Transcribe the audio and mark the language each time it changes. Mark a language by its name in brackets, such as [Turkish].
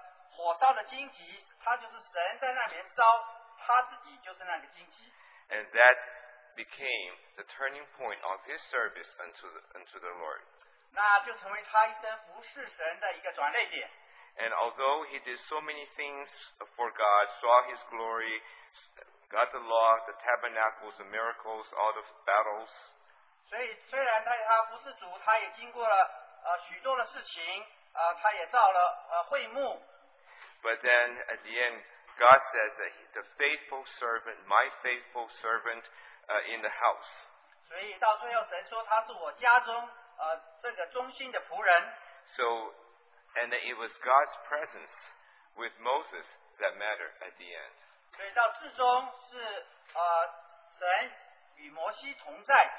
[Chinese] 火烧的荆棘,他就是神在那边烧,他自己就是那个荆棘。 [English] And that became the turning point of his service unto the Lord. [Chinese] 那就成为他一生服侍神的一个转捩点。 [English] And although he did so many things for God, saw his glory, got the law, the tabernacles, the miracles, all the battles. [Chinese] 所以虽然他服侍主,他也经过了许多的事情,他也造了会幕。 [English] But then at the end, God says that the faithful servant, my faithful servant in the house. So And that it was God's presence with Moses that mattered at the end. [Chinese] 所以到至终是, 神与摩西同在,